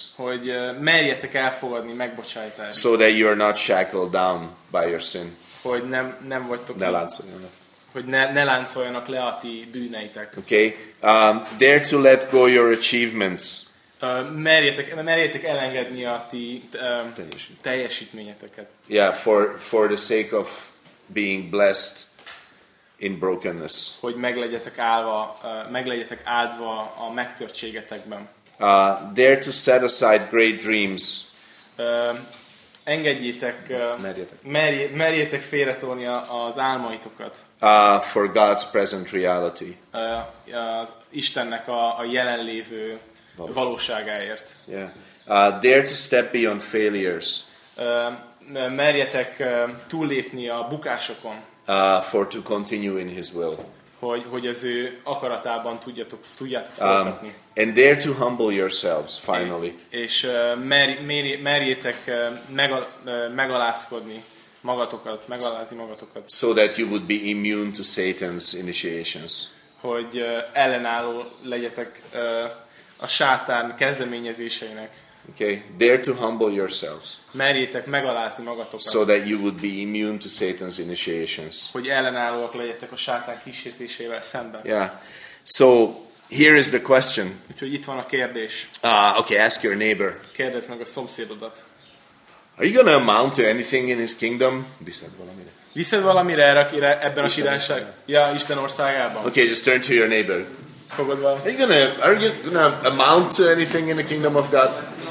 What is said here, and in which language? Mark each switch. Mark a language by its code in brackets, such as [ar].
[hu] hogy merjetek elfogadni megbocsátást, [en] so that you are not shackled down by your sin, [hu] hogy nem vagytok ne láncoljanak, hogy ne láncoljanak le a ti bűneitek. [en] Okay, dare to let go your achievements, [hu] merjétek elengedni a ti teljesítményeteket. [en] Yeah, for the sake of being blessed in brokenness. [hu] Hogy meglegyetek áldva a megtörtségetekben. [en] Dare to set aside great dreams. [hu] Engedjétek, merjétek félretolni az álmaitokat. [en] For God's present reality. [hu] Istennek a jelenlévő valóságáért. [en] Yeah. Dare to step beyond failures. [hu] Merjetek túllépni a bukásokon. [en] For to continue in His will. [hu] Hogy az ő akaratában tudjátok folytatni. [en] And dare to humble yourselves finally. [hu] És merjétek megalázkodni magatokat, megalázni magatokat. [en] So that you would be immune to Satan's initiations. [hu] Hogy ellenálló legyetek a sátán kezdeményezéseinek. [en] Okay, dare to humble yourselves. [hu] Merjétek megalázni magatokat. [en] So that you would be immune to Satan's initiations. [hu] Hogy ellenállóak legyetek a sátán kísértésével szemben. [en] Yeah. So here is the question. [hu] Úgyhogy itt van a kérdés. [en] Okay, ask your neighbor. [hu] Kérdezd meg a szomszédodat. [en] Are you gonna amount to anything in his kingdom? [hu] Viszed valamire. Viszed valamire erre ebben Isten a királyság? Ja, Isten országában. [en] Okay, just turn to your neighbor. [hu] Fogadva. [en] Are you gonna amount to anything in the kingdom of God?